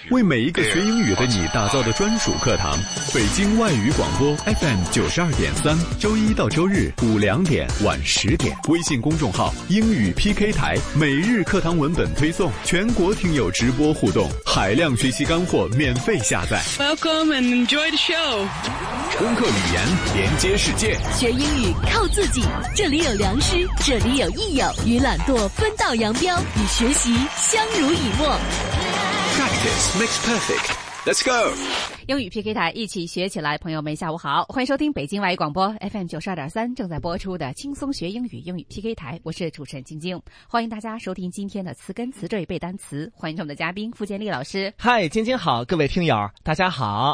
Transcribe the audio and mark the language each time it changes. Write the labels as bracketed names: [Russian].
[Chinese] 为每一个学英语的你打造的专属课堂北京外语广播 FM92.3 周一到周日5-2点晚10点微信公众号英语 PK 台每日课堂文本推送全国听友直播互动海量学习干货免费下载 [English] Welcome and enjoy the show [Chinese] 攻克语言连接世界学英语靠自己这里有良师这里有益友与懒惰分道扬镳与学习相濡以沫 [English] Practice makes perfect Let's go [Chinese] 英语 PK 台一起学起来朋友们下午好欢迎收听北京外语广播 FM92.3 正在播出的轻松学英语英语 PK 台我是主持人晶晶欢迎大家收听今天的词根词缀背单词欢迎我们的嘉宾傅建立老师嗨晶晶好各位听友大家好